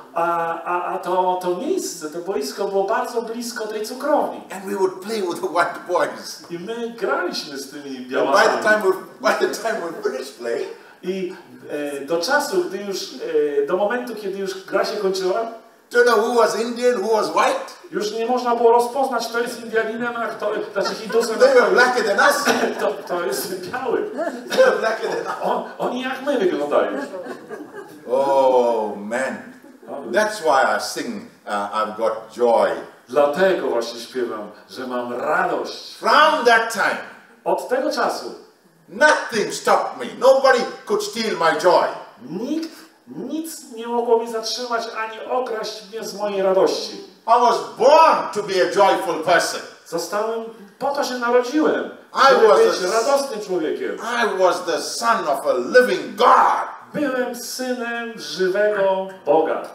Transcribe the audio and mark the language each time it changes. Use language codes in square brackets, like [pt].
[pl] A to miejsce, to boisko było bardzo blisko tej cukrowni. [en] And we would play with the white boys. [pl] I my graliśmy z tymi białymi. [en] And by the time we finished playing. [pl] I do czasu, gdy już do momentu, kiedy już gra się kończyła. [en] Do you know who was Indian, who was white? [pl] Już nie można było rozpoznać, kto jest Indianinem, a kto znaczy Hindusem. [en] They were blacker than us. [pl] To jest biały. [en] They were blacker than us. [pl] Oni jak my wyglądają. [en] Oh man. That's why I sing, I've got joy. [pl] Dlatego właśnie śpiewam, że mam radość. [en] From that time. [pl] Od tego czasu. [en] Nothing stopped me. Nobody could steal my joy. [pl] Nikt, nic nie mogło mi zatrzymać ani okraść mnie z mojej radości. [en] I was born to be a joyful person. [pl] Zostałem, po to się narodziłem, żeby być radosnym człowiekiem. [en] I was the son of a living God. [pl] Byłem synem żywego Boga.